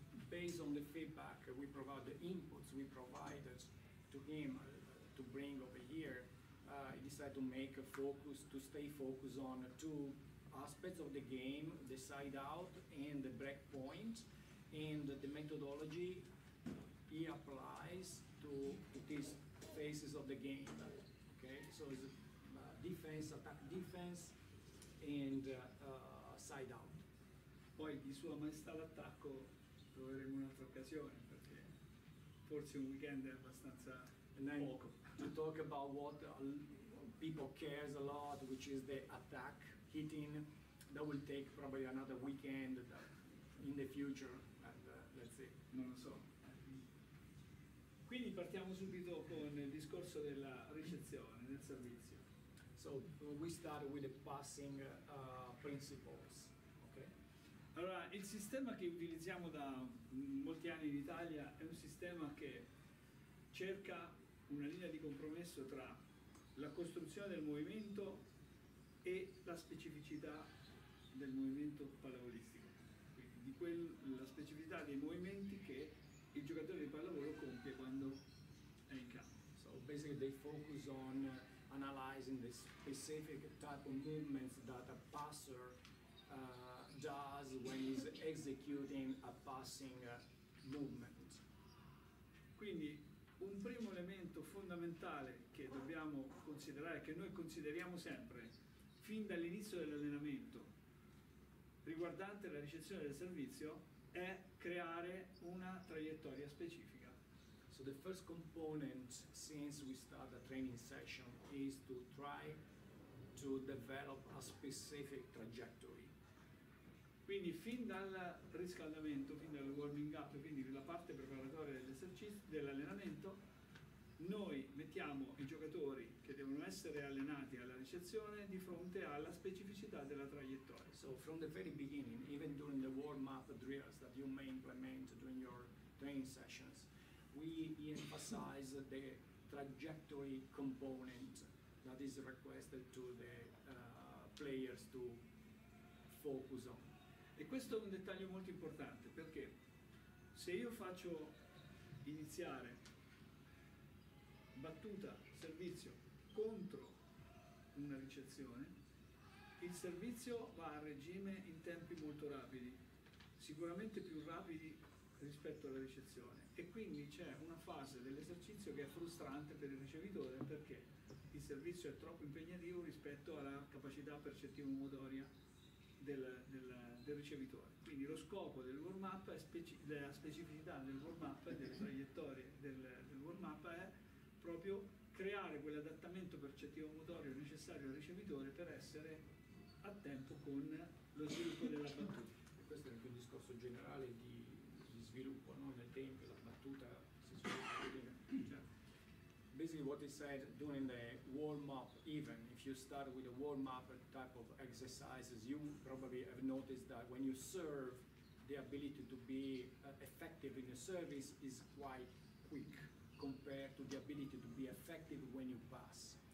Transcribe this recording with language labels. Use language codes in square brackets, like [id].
[en] Based on the feedback we provide, the inputs we provided to him to bring over here, he decided to make a focus, to stay focused on two aspects of the game, the side out and the break point, and the methodology he applies to these phases of the game. Okay, so it's defense, attack defense, and side out. [it] Poi di Sua Maestà l'attacco troveremo un'altra occasione, perché forse un weekend è abbastanza poco. [en] To talk about what people cares a lot, which is the attack, hitting, that will take probably another weekend in the future, and let's see. [it] Non lo so. Quindi partiamo subito con il discorso della ricezione, del servizio. [en] So we start with the passing principles. Okay. [it] Allora, il sistema che utilizziamo da molti anni in Italia è un sistema che cerca una linea di compromesso tra la costruzione del movimento e la specificità del movimento pallavolistico, quindi di la specificità dei movimenti che il giocatore di pallavolo compie quando è in campo. [en] So basically they focus on analyzing the specific type of movements that a passer does when he's executing a passing movement. [it] Quindi un primo elemento fondamentale che dobbiamo considerare, che noi consideriamo sempre fin dall'inizio dell'allenamento riguardante la ricezione del servizio, è creare una traiettoria specifica. [en] So the first component since we start the training session is to try to develop a specific trajectory. [it] Quindi fin dal riscaldamento, fin dal warming up, quindi la parte preparatoria dell'allenamento, noi mettiamo i giocatori che devono essere allenati alla ricezione di fronte alla specificità della traiettoria. [en] So from the very beginning, even during the warm-up drills that you may implement during your training sessions, we emphasize the trajectory component that is requested to the players to focus on. [it] E questo è un dettaglio molto importante, perché se io faccio iniziare battuta, servizio contro una ricezione, il servizio va a regime in tempi molto rapidi, sicuramente più rapidi rispetto alla ricezione, e quindi c'è una fase dell'esercizio che è frustrante per il ricevitore, perché il servizio è troppo impegnativo rispetto alla capacità percettiva motoria del ricevitore. Quindi lo scopo del warm up è la specificità del warm up e delle traiettorie del warm up è proprio creare quell'adattamento percettivo motorio necessario al ricevitore per essere a tempo con lo sviluppo della battuta. E questo è anche un discorso generale di sviluppo, no? Nel tempo la battuta si sviluppa bene. Certo. [en] Basically what he said during the warm up, even if you start with a warm up type of exercises, you probably have noticed that when you serve, the ability to be effective in the service is quite quick compared to the ability to be effective when you pass.